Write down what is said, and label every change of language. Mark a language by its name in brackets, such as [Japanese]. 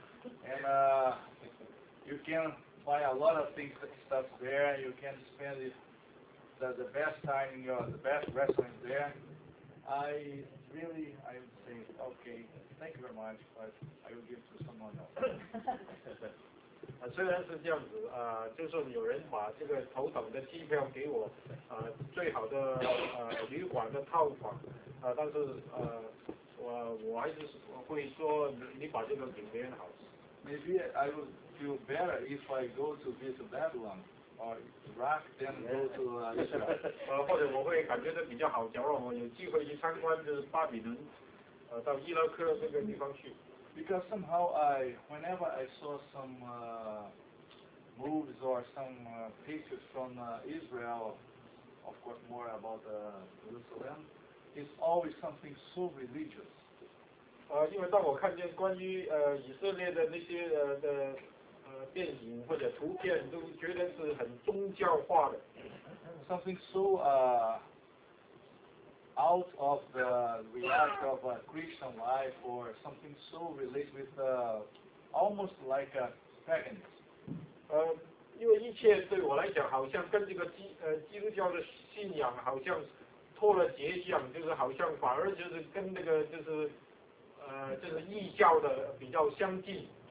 [English] And you can buy a lot of things that stuff there, you can spend the best time in the best restaurant there. I would say, okay, thank you very much, but I will give to someone else. [Chinese] 虽然是这样子就是有人把这个头等的机票给我最好的旅馆的套房但是我还是会说你把这个给别人好。 [English] Maybe I would feel better if I go to visit Babylon or Iraq, then go to Israel. [Chinese] 或者我会感觉到比较好，假如我有机会去参观就是巴比伦，到伊拉克这个地方去。 [English] Because somehow whenever I saw some movies or some pictures from Israel, of course more about Jerusalem, is always something so religious. [Chinese] 因为当我看见关于以色列的那些电影或者图片，都觉得是很宗教化的。 [English] Something so out of the reality of a Christian life, or something so related with almost like a paganism. [Chinese] 因为一切对我来讲，好像跟这个基督教的信仰好像脱了节相，就是好像反而就是跟那个就是异教的比较相近。